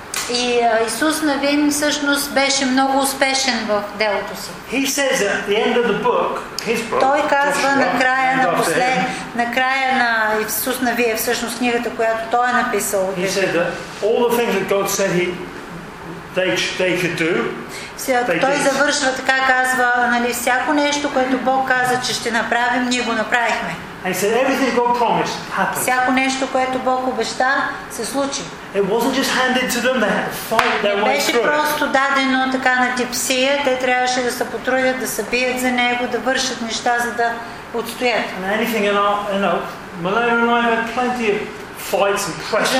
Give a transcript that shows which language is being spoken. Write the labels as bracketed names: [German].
[Bulgarian] И Исус Навин всъщност беше много успешен в делото си. [English] He says at the end of the book, his book. [Bulgarian] Той казва накрая на накрая на Исус Навин всъщност книгата, която той е написал. [English] He said that all the things that God said they could do. [Bulgarian] Той завършва така, казва, нали, всяко нещо, което Бог каза, че ще направим, ние го направихме. [English] And he said everything God promised happened. [Bulgarian] Всяко нещо, което Бог обеща, се случи. [English] It wasn't just handed to them, they had to fight their way through. [Bulgarian] Не беше просто дадено така на типсия, те трябваше да се потрудят, да се бият за него, да вършат неща, за да отстоят. [English] And anything in our, you know, Malaya and I had plenty of fights and pressure.